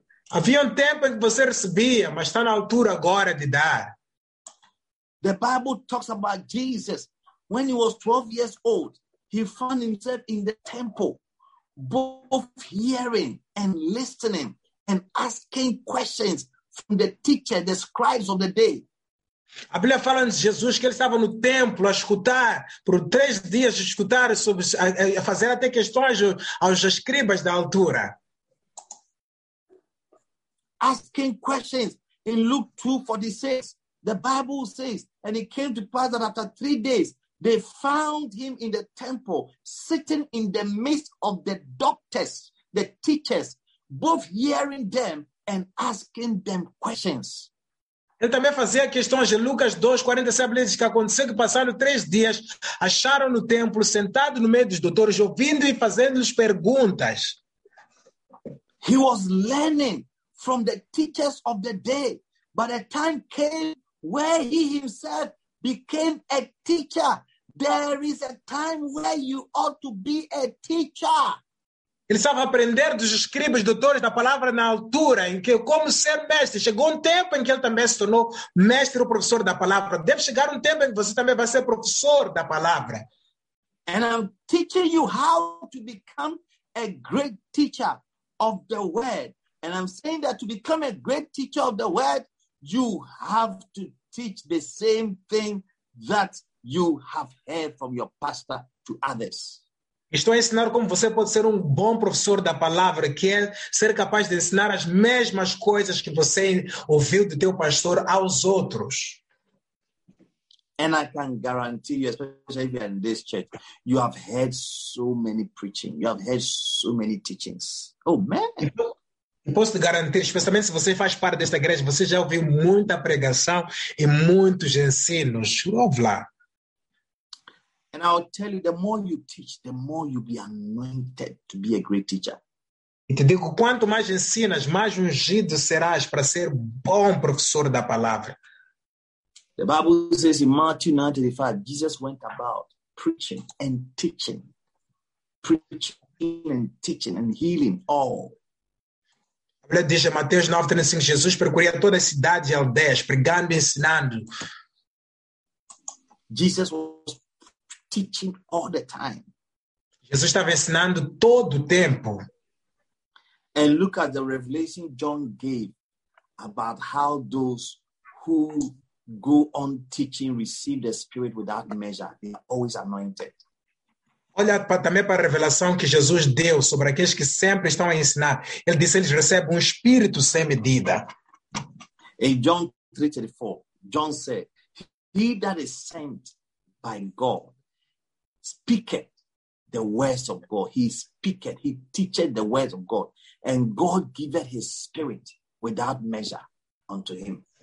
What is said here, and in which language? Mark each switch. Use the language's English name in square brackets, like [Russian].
[Portuguese] Havia tempo em que você recebia, mas está na altura agora de dar. [English] The Bible talks about Jesus. When he was 12 years old, he found himself in the temple, both hearing and listening. And asking questions from the teacher, the scribes of the day. [Portuguese] A Bíblia fala de Jesus que ele estava no templo a escutar, por 3 dias a escutar, a fazer até questões aos escribas da altura. [English] Asking questions in Luke 2:46, the Bible says, and it came to pass that after 3 days, they found him in the temple, sitting in the midst of the doctors, the teachers, both hearing them and asking them questions. [Portuguese] Ele também fazia questões de Lucas 2:47, diz que aconteceu que passaram 3 dias, acharam no templo, sentado no meio dos doutores, ouvindo e fazendo-lhes perguntas. [English] He was learning from the teachers of the day, but a time came where he himself became a teacher. There is a time where you ought to be a teacher. [Portuguese] Ele estava a aprender dos escribas, doutores da palavra na altura, em que como ser mestre. Chegou um tempo em que ele também se tornou mestre ou professor da palavra. Deve chegar um tempo em que você também vai ser professor da palavra. [English] And I'm teaching you how to become a great teacher of the word. And I'm saying that to become a great teacher of the word, you have to teach the same thing that you have heard from your pastor to others. Estou a ensinar como você pode ser um bom professor da palavra, que é ser capaz de ensinar as mesmas coisas que você ouviu do teu pastor aos outros. And I can guarantee you, especially in this church, you have heard so many preaching, you have heard so many teachings. Oh, man! [Portuguese] Posso te garantir, especialmente se você faz parte desta igreja, você já ouviu muita pregação e muitos ensinos. Ouve lá. [English] And I'll tell you, the more you teach, the more you'll be anointed to be a great teacher. [Portuguese] E te digo, quanto mais ensinas, mais ungido serás para ser bom professor da palavra. [English] The Bible says in Matthew 9:35, Jesus went about preaching and teaching. Preaching and teaching and healing all. [Portuguese] A Bíblia diz em Mateus 9:35, Jesus percorria toda a cidade e aldeias, pregando e ensinando. [English] Jesus was teaching all the time. [Portuguese] Jesus estava ensinando todo o tempo. [English] And look at the revelation John gave about how those who go on teaching receive the Spirit without measure. They are always anointed. [Portuguese] Olha também para a revelação que Jesus deu sobre aqueles que sempre estão a ensinar. Ele disse, eles recebem Espírito sem medida. [English] Em John 3:34, John said, he that is sent by God speaketh the words of God. He speaketh, he teacheth the words of God. And God giveth his Spirit without measure unto him.